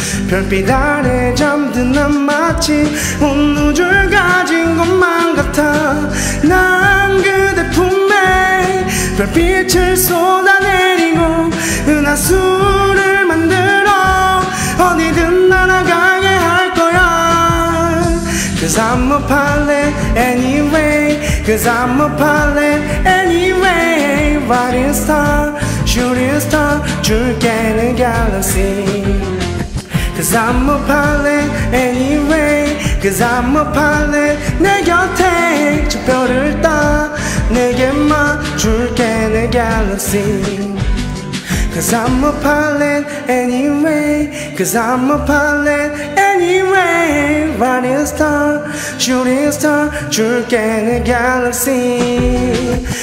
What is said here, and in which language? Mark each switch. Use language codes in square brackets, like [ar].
[ko] 별빛 아래 잠든 난 마치 온 우주를 가진 것만 같아. 난 그대 품에 별빛을 쏟아내리고 은하수를 만들어 어디든 날아가게 할 거야. [en] 'Cause I'm a pilot anyway, 'cause I'm a pilot anyway. Riding star, shooting star, [ko] 줄게 내 [en] galaxy. 'Cause I'm a pilot anyway, 'cause I'm a pilot. [ko] 내 곁에 저 별을 따 내게 맞줄게 내 galaxy. [en] 'Cause I'm a pilot anyway, 'cause I'm a pilot anyway. Riding star, shooting star, [ko] 줄게 내 [en] galaxy.